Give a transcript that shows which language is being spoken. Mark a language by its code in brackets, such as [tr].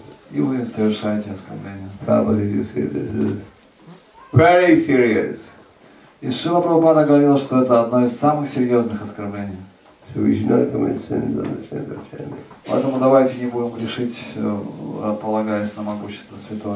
[ru] И вы совершаете оскорбление. [en] Prabhupada, you see, this is very serious. [ru] И Шрила Прабхупада говорил, что это одно из самых серьезных оскорблений. [en] So we should not commit sins on the strength of chanting. [ru] Поэтому давайте не будем грешить, полагаясь на могущество святого